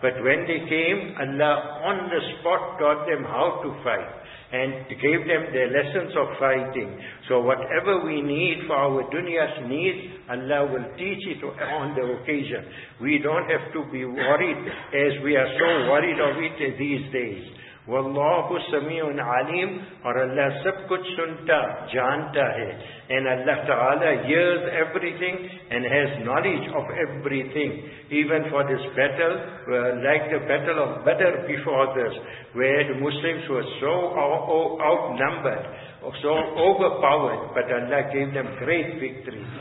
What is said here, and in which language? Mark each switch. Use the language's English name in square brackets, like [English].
[English] But when they came, Allah on the spot taught them how to fight and gave them their lessons of fighting. So whatever we need for our dunya's needs, Allah will teach it on the occasion. We don't have to be worried as we are so worried of it these days. [Arabic] وَاللَّهُ سَمِيعٌ عَلِيمٌ. [Urdu] اور اللہ سب کچھ سنتا جانتا ہے. [English] And Allah Ta'ala hears everything and has knowledge of everything. Even for this battle, like the battle of Badr before this, where the Muslims were so outnumbered, so overpowered, but Allah gave them great victory.